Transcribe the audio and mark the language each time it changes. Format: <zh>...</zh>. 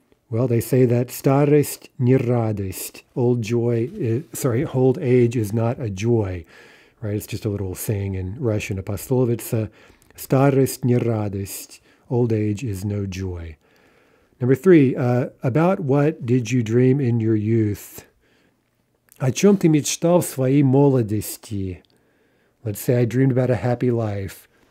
<en>Well, they say that</en> <ru>старость не радость.</ru> <en>Old age is not a joy, right? It's just a little saying in Russian, a пословица.</en> <ru>Старость не радость.</ru> <en>Old age is no joy. Number three, about what did you dream in your youth?</en> <ru>О чем ты мечтал в своей молодости?</ru> <en>Let's say I dreamed about a happy life.</en>